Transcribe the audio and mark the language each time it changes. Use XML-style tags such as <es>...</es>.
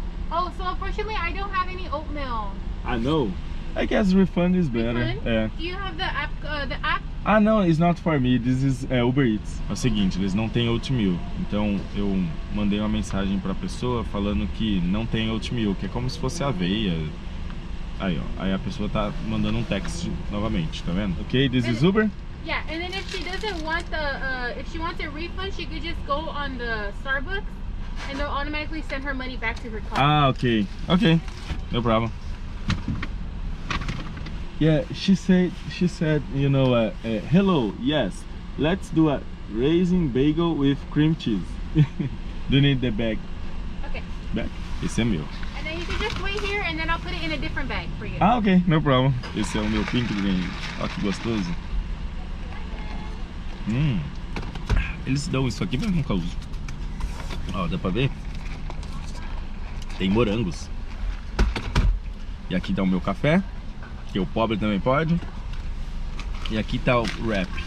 <en>Oh, so unfortunately I don't have any oatmeal. I know. I guess refund is better. Refund? Yeah. Do you have the app? Ah, no, it's not for me. This is Uber Eats.</en> <pt>É o seguinte, eles não têm oatmeal. Então eu mandei uma mensagem pra pessoa falando que não tem oatmeal, que é como se fosse aveia. Aí, ó. Aí a pessoa tá mandando um texto novamente, tá vendo?</pt> <en>Ok, this is Uber? Yeah, and then if she doesn't want the, if she wants a refund, she could just go on the Starbucks and they'll automatically send her money back to her car. Ah, ok. Ok, no problem. Yeah, she said, you know, hello, yes, let's do a raisin bagel with cream cheese. Do you need the bag? Okay.</en> <pt>Bag? Esse é meu.</pt> <en>And then I'll put it in a different bag for you. Ah, ok, no problem.</en> <pt>Esse é o meu pink drink. Olha que gostoso. Eles dão isso aqui, mas eu nunca uso. Ó, dá pra ver? Tem morangos. E aqui tá o meu café, que o pobre também pode. E aqui tá o wrap.</pt>